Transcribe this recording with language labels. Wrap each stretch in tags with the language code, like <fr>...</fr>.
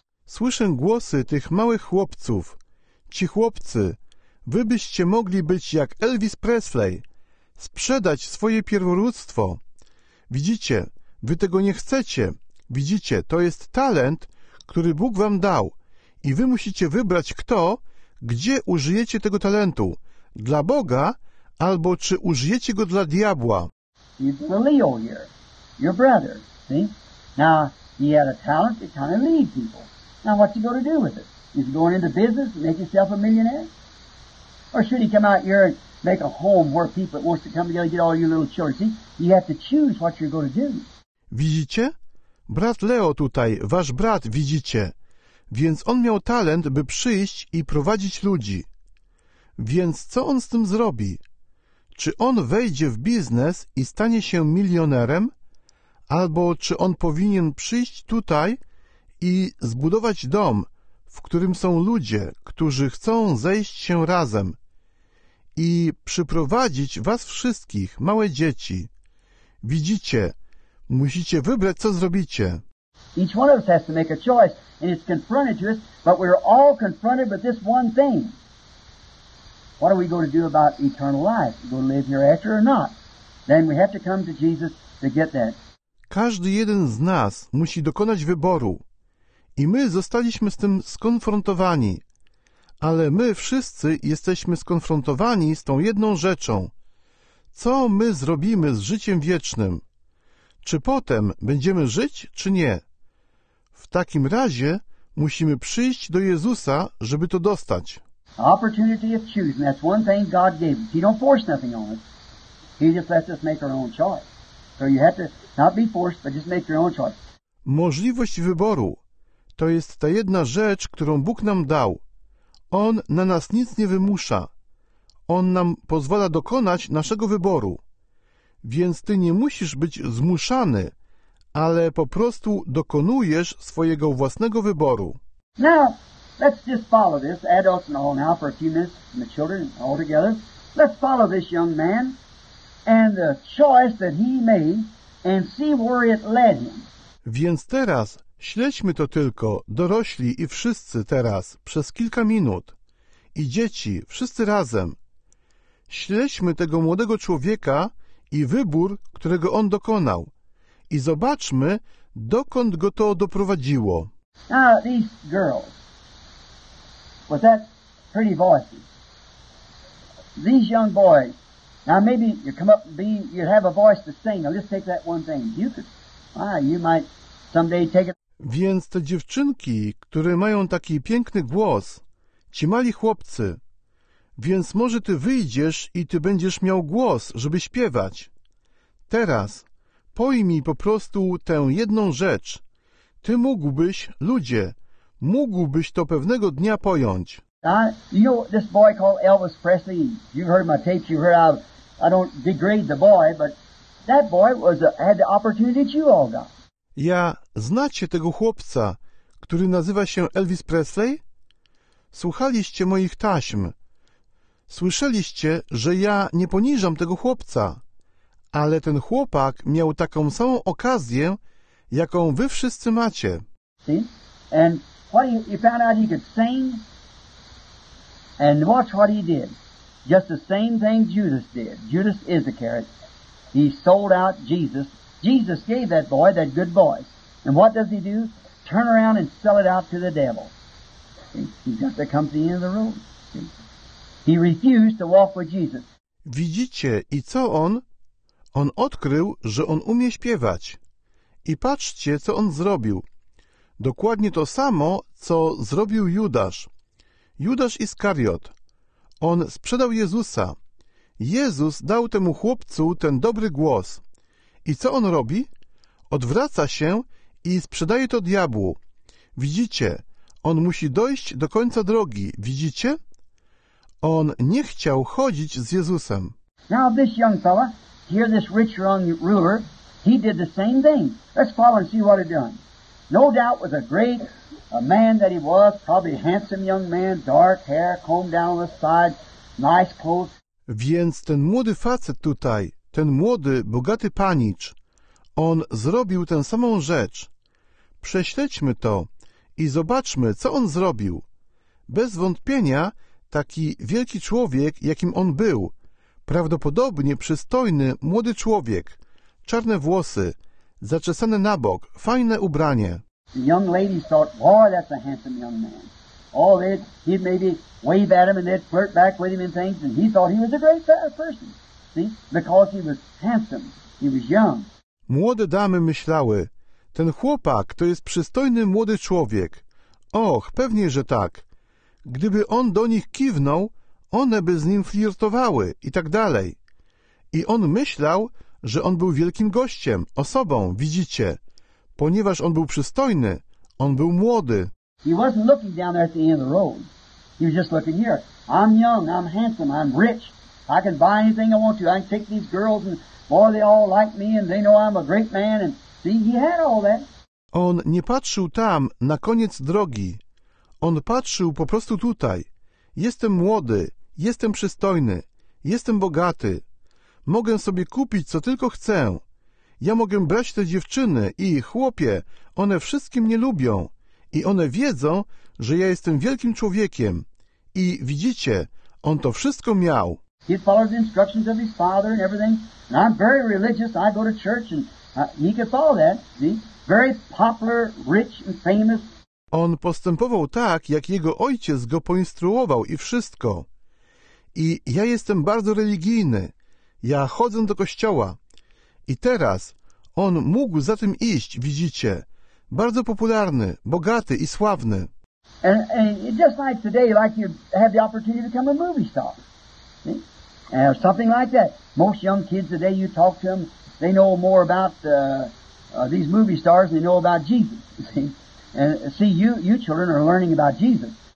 <pl>Słyszę głosy tych małych chłopców. Ci chłopcy, wy byście mogli być jak Elvis Presley, sprzedać swoje pierworództwo. Widzicie, wy tego nie chcecie. Widzicie, to jest talent, który Bóg wam dał. I wy musicie wybrać, kto, gdzie użyjecie tego talentu. Dla Boga, albo czy użyjecie go dla diabła.</pl> <en>The Leo here, your brother, see? Now, he had a talent to kind of lead people. Now, what's he going to do with it? Is he going into business and make himself a millionaire? Or should he come out here and make a home where people wants to come together and get all your little children? See, you have to choose what you're going to do.</en> <pl>Widzicie? Brat Leo tutaj, wasz brat, widzicie? Więc on miał talent, by przyjść i prowadzić ludzi. Więc co on z tym zrobi? Czy on wejdzie w biznes i stanie się milionerem? Albo czy on powinien przyjść tutaj i zbudować dom, w którym są ludzie, którzy chcą zejść się razem i przyprowadzić was wszystkich, małe dzieci. Widzicie, musicie wybrać, co zrobicie.</pl> <en>Each one of us has to make a choice, and it's confronted to us, but we're all confronted with this one thing. What are we going to do about eternal life? Are we going to live hereafter or not? Then we have to come to Jesus to get that.</en> <pl>Każdy jeden z nas musi dokonać wyboru. I my zostaliśmy z tym skonfrontowani. Ale my wszyscy jesteśmy skonfrontowani z tą jedną rzeczą. Co my zrobimy z życiem wiecznym? Czy potem będziemy żyć, czy nie? W takim razie musimy przyjść do Jezusa, żeby to dostać.</pl> <en>Opportunity of choosing, that's one thing God gave us. He don't force nothing on us. He just lets us make our own choice. So you have to not be forced, but just make your own choice.</en> <pl>Możliwość wyboru. To jest ta jedna rzecz, którą Bóg nam dał. On na nas nic nie wymusza. On nam pozwala dokonać naszego wyboru. Więc ty nie musisz być zmuszany, ale po prostu dokonujesz swojego własnego wyboru.</pl> <en>Now, let's just follow this, adults and all now, for a few minutes, and the children all together. Let's follow this young man and the choice that he made and see where it led him.</en> <pl>Więc teraz śledźmy to tylko, dorośli i wszyscy teraz, przez kilka minut. I dzieci, wszyscy razem. Śledźmy tego młodego człowieka i wybór, którego on dokonał. I zobaczmy, dokąd go to doprowadziło.</pl> <en>Now, these girls, with that pretty voices, these young boys, now maybe you come up and be, you have a voice to sing, I'll just take that one thing. You might someday take it.</en> <pl>Więc te dziewczynki, które mają taki piękny głos, ci mali chłopcy, więc może ty wyjdziesz i ty będziesz miał głos, żeby śpiewać. Teraz pojmij po prostu tę jedną rzecz. Ty mógłbyś, ludzie, mógłbyś to pewnego dnia pojąć.</pl> <en>This boy called Elvis Presley, you've heard my tapes, you've heard I don't degrade the boy, but that boy had the opportunity that you all got.</en> <pl>Ja, znacie tego chłopca, który nazywa się Elvis Presley? Słuchaliście moich taśm. Słyszeliście, że ja nie poniżam tego chłopca. Ale ten chłopak miał taką samą okazję, jaką wy wszyscy macie.</pl> <en>See? And what he found out he could sing? And watch what he did. Just the same thing Judas did. Judas Iscariot. He sold out Jesus. Jesus gave that boy that good voice. And what does he do? Turn around and sell it out to the devil. He just comes to the end of the road. He refused to walk with Jesus.</en> <pl>Widzicie, i co on? On odkrył, że on umie śpiewać. I patrzcie, co on zrobił. Dokładnie to samo, co zrobił Judasz. Judasz Iskariot. On sprzedał Jezusa. Jezus dał temu chłopcu ten dobry głos. I co on robi? Odwraca się i sprzedaje to diabłu. Widzicie, on musi dojść do końca drogi. Widzicie? On nie chciał chodzić z Jezusem.</pl> <en>Now this young fella, here this rich young ruler, he did the same thing. Let's follow and see what he done. No doubt was a great a man that he was, probably a handsome young man, dark hair, combed down on the side, nice clothes.</en> <pl>Więc ten młody facet tutaj, ten młody, bogaty panicz, on zrobił tę samą rzecz. Prześledźmy to i zobaczmy, co on zrobił. Bez wątpienia taki wielki człowiek, jakim on był, prawdopodobnie przystojny, młody człowiek, czarne włosy, zaczesane na bok, fajne ubranie.</pl> <en>The young ladies thought, boy, that's a handsome young man. Oh, he'd maybe wave at him and they'd flirt back with him and things, and he thought he was a great person. Because he was handsome. He was young.</en> <pl>Młode damy myślały, ten chłopak to jest przystojny młody człowiek. Och, pewnie, że tak. Gdyby on do nich kiwnął, one by z nim flirtowały i tak dalej. I on myślał, że on był wielkim gościem, osobą, widzicie. Ponieważ on był przystojny, on był młody.</pl> <en>He wasn't looking down there at the end of the road. He was just looking here. I'm young, I'm handsome, I'm rich. I can buy anything I want to. I can take these girls and boy, they all like me and they know I'm a great man. And see, he had all that.</en> <pl>On nie patrzył tam, na koniec drogi. On patrzył po prostu tutaj. Jestem młody, jestem przystojny, jestem bogaty. Mogę sobie kupić, co tylko chcę. Ja mogę brać te dziewczyny i chłopie, one wszystkie mnie lubią. I one wiedzą, że ja jestem wielkim człowiekiem. I widzicie, on to wszystko miał.</pl> <en>He follows the instructions of his father and everything. And I'm very religious. I go to church and he could follow that. See? Very popular, rich and famous.</en> <pl>On postępował tak, jak jego ojciec go poinstruował i wszystko. I ja jestem bardzo religijny. Ja chodzę do kościoła. I teraz on mógł za tym iść, widzicie. Bardzo popularny, bogaty i sławny.</pl> <en>And just like today, like you have the opportunity to become a movie star. Or something like that. Most young kids today, you talk to them, they know more about these movie stars than they know about Jesus. See? And see, you children are learning about Jesus.</en>